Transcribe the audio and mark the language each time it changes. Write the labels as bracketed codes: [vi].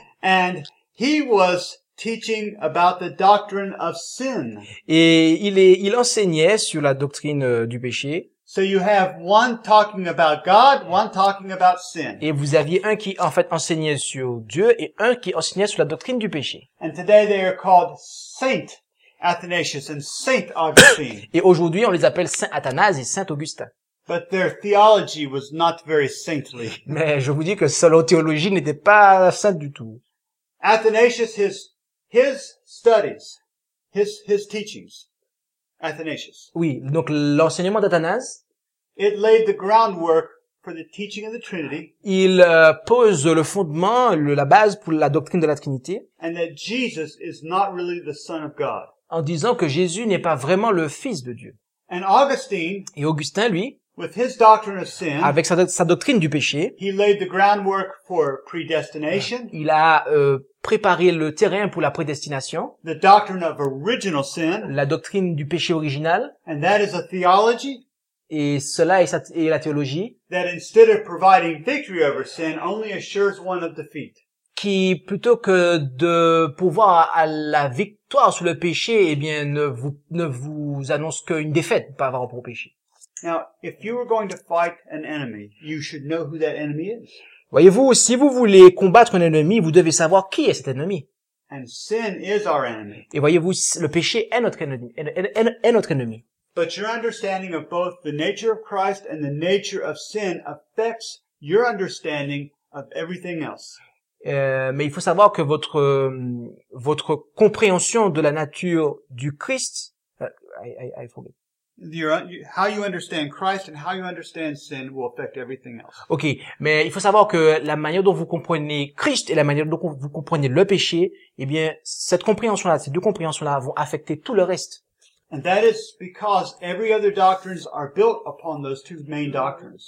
[en] And he was teaching about the doctrine of sin. [fr] Et il enseignait sur la doctrine du péché. [en] So you have one talking about God, one talking about sin. [fr] Et vous aviez un qui en fait enseignait sur Dieu et un qui enseignait sur la doctrine du péché. [en] And today they are called Saint Athanasius and Saint Augustine. [fr] Et aujourd'hui on les appelle Saint Athanase et Saint Augustin. [en] But their theology was not very saintly. [fr] Mais je vous dis que leur théologie n'était pas sainte du tout. [en] Athanasius, his studies, his teachings, Athanasius. [fr] Oui, donc l'enseignement d'Athanase. [en] It laid the groundwork for the teaching of the Trinity. [fr] Il pose le fondement, la base pour la doctrine de la Trinité. [en] And that Jesus is not really the Son of God. [fr] En disant que Jésus n'est pas vraiment le Fils de Dieu. [en] And Augustine. [fr] Et Augustin, lui. [en] With his doctrine of sin, [fr] avec sa doctrine du péché, [en] he laid the groundwork for predestination. [fr] Il a préparé le terrain pour la prédestination. [en] The doctrine of original sin, [fr] la doctrine du péché original. [en] And that is a theology. [fr] Et cela est la théologie. [en] That instead of providing victory over sin, only assures one of defeat. [fr] Qui plutôt que de pouvoir à la victoire sur le péché, eh bien ne vous annonce qu'une défaite par rapport au péché. [en] Now, if you were going to fight an enemy, you should know who that enemy is. [fr] Voyez-vous, si vous voulez combattre un ennemi, vous devez savoir qui est cet ennemi. [en] And sin is our enemy. [fr] Et voyez-vous, le péché est notre ennemi. Est notre ennemi. [en] But your understanding of both the nature of Christ and the nature of sin affects your understanding of everything else. [fr] Mais il faut savoir que votre compréhension de la nature du Christ, [en] I forget. How you understand Christ and how you understand sin will affect everything else. [fr] Ok, mais il faut savoir que la manière dont vous comprenez Christ et la manière dont vous comprenez le péché, eh bien, cette compréhension-là, ces deux compréhensions-là vont affecter tout le reste. [en] And that is because every other doctrines are built upon those two main doctrines.